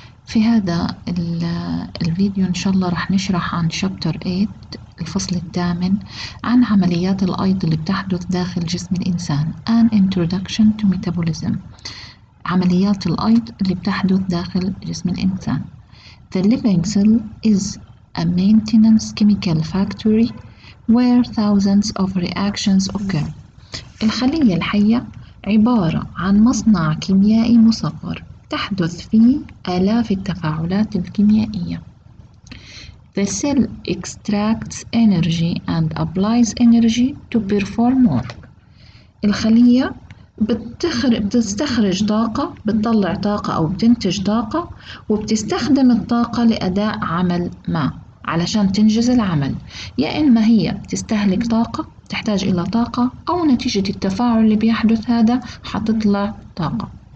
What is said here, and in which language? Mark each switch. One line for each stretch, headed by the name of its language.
Arabic: في هذا الفيديو إن شاء الله راح نشرح عن شابتر 8 الفصل الثامن عن عمليات الأيض اللي بتحدث داخل جسم الإنسان،
English: An Introduction to Metabolism،
Arabic: عمليات الأيض اللي بتحدث داخل جسم الإنسان.
English: The living cell is a maintenance chemical factory where thousands of reactions occur.
Arabic: الخلية الحية عبارة عن مصنع كيميائي مصغر تحدث فيه آلاف التفاعلات الكيميائية.
English: The cell extracts energy and applies energy to perform work.
Arabic: الخلية بتستخرج طاقة، بتطلع طاقة أو بتنتج طاقة، وبتستخدم الطاقة لأداء عمل ما علشان تنجز العمل. يا إما هي بتستهلك طاقة، تحتاج إلى طاقة، أو نتيجة التفاعل اللي بيحدث هذا حتطلع طاقة.